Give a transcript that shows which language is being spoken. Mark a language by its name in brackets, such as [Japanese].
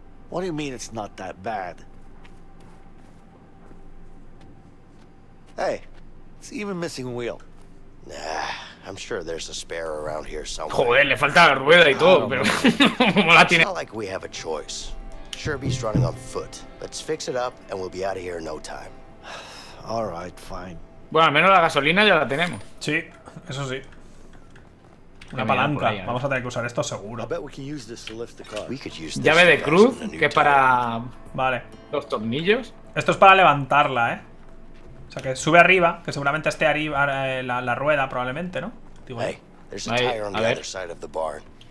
[English] What do you mean it's not that bad? Hey, it's even missing wheel. Nah, I'm sure there's a spare around here somewhere. [Spanish] Joder, le falta la rueda y todo, pero cómo la tiene. [English] It's not like we have a choice. Sherby's running on foot. Let's fix it up and we'll be out of here in no time. All right, fine. [Spanish] Bueno, al menos la gasolina ya la tenemos. Sí, eso sí. Una palanca. Ahí, ¿no? Vamos a tener que usar esto seguro. Llave de cruz, que es para... Vale. Los tornillos. Esto es para levantarla, ¿eh? O sea, que sube arriba, que seguramente esté arriba la rueda, probablemente, ¿no? Digo, [English] hey, there's a tire on the other side of the barn.